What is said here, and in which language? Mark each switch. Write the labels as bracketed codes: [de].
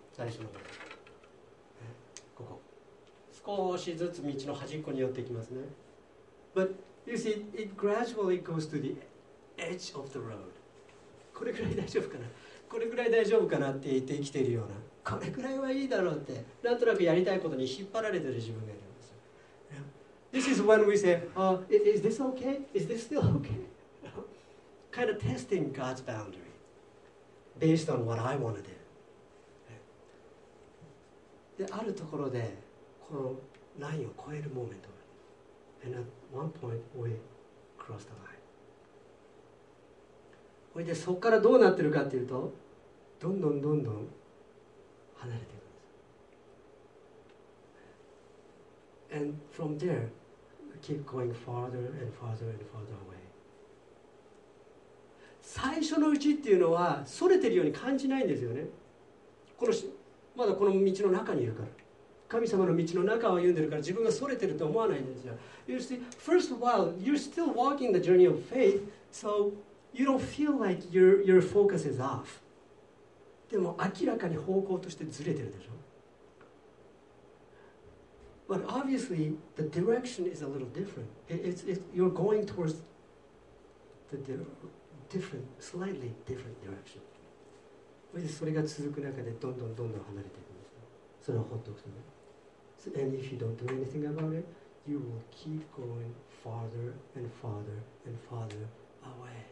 [ja] 最初のここ少しずつ道の端っこに寄っていきますね。 [en] But you see it gradually goes to the edge of the road。 [ja] これくらい大丈夫かな、これくらい大丈夫かなって言って生きているような、これくらいはいいだろうってなんとなくやりたいことに引っ張られてる自分がいるんですよ。 [en] This is when we say、is this okay? Is this still okay? Kind of testing God's boundary based on what I want to do. [ja] で、あるところでこのラインを超えるモーメント。 [en] And at one point we cross the line. [ja] それでそこからどうなってるかっていうと、どんどんどんどん離れていくんです。 [en] And from there, we keep going farther and farther and farther away. [ja] 最初のうちっていうのはそれてるように感じないんですよね。このまだこの道の中にいるから、神様の道の中を歩んでるから自分がそれてると思わないんですよ。 [en] You see, first of all, you're still walking the journey of faith, so you don't feel like your focus is off. [ja] でも明らかに方向としてずれてるでしょ。 [en] But obviously the direction is a little different. You're going towards the direction. Different, slightly different direction. [ja] それが続く中でどんどんどんどん離れていくんです。それを放っておくとね。 [en] So, and if you don't do anything about it, you will keep going farther and farther and farther away.